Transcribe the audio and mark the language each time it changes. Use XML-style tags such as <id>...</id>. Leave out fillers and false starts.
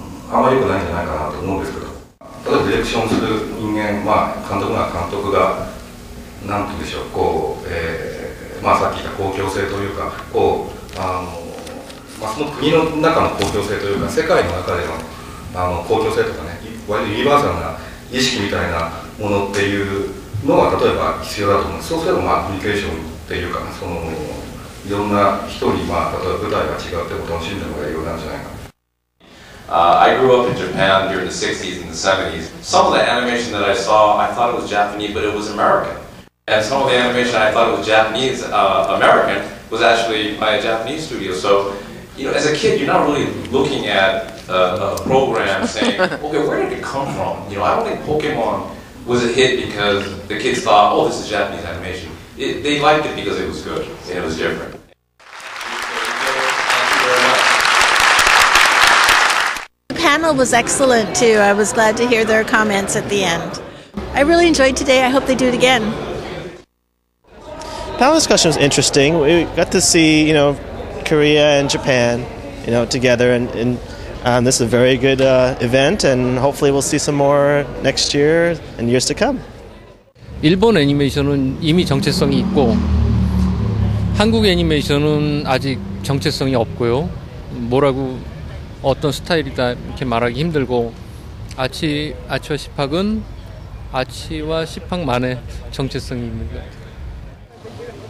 <ja>あんまり良くないんじゃないかなと思うんですけど、例えばディレクションする人間、まあ、監督なら監督が何て言うんでしょう、こう、まあ、さっき言った公共性というかこうまあ、その国の中の公共性というか世界の中での、公共性とかね、割とユニバーサルな意識みたいなものっていうのが例えば必要だと思う。そうすればまあコミュニケーションっていうか、そのいろんな人にまあ例えば舞台が違うってことを楽しんでるのが必要なんじゃないか。</ja> <en>I grew up in Japan during the 60s and the 70s. Some of the animation that I saw, I thought it was Japanese, but it was American. And some of the animation I thought it was Japanese, American, was actually by a Japanese studio. So, you know, as a kid, you're not really looking at a program saying, okay, where did it come from? You know, I don't think Pokemon was a hit because the kids thought, oh, this is Japanese animation. They liked it because it was good and it was different. The panel was excellent too. I was glad to hear their comments at the end. I really enjoyed today. I hope they do it again. The panel discussion was interesting. We got to see, you know, Korea and Japan, you know, together, and this is a very good event, and hopefully we'll see some more next year and years to come.</en> <ko>일본 애니메이션은 이미 정체성이 있고 한국 애니메이션은 아직 정체성이 없고요. 뭐라고 어떤 스타일이다 이렇게 말하기 힘들고 아치와 시팍은 아치와 시팍만의 정체성이 있는 것 같아요.</ko>